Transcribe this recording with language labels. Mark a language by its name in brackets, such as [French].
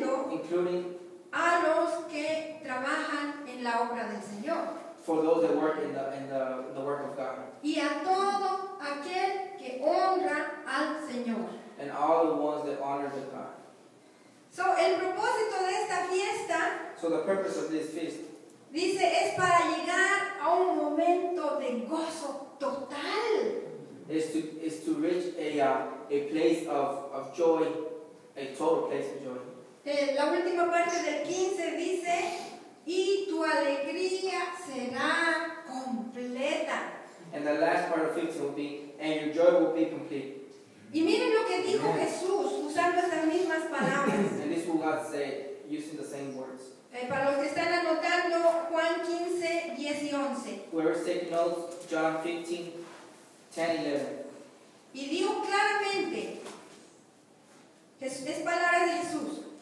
[English] Including [Spanish] a los que trabajan en la obra del Señor. [English] For those that work in the work of God. [Spanish] Y a todo aquel que honra al Señor. [English] And all the ones that honor the God. [Spanish] So, el propósito de esta fiesta. [English] So the purpose of this feast. [Spanish] Dice, es para llegar a un momento de gozo total. [English] Is to reach a place of joy, a total place of joy. [Spanish] La última parte del 15 dice, y tu alegría será completa. [English] And the last part of 15 will be, and your joy will be complete. [Spanish] Y miren lo que dijo Jesús usando estas mismas palabras. [English] And this is what God said using the same words. [Spanish] Para los que están anotando, Juan 15, 10 y 11. [English] Whoever's taking notes, John 15, 10 y 11. [Spanish] Y dijo claramente, es palabra de Jesús.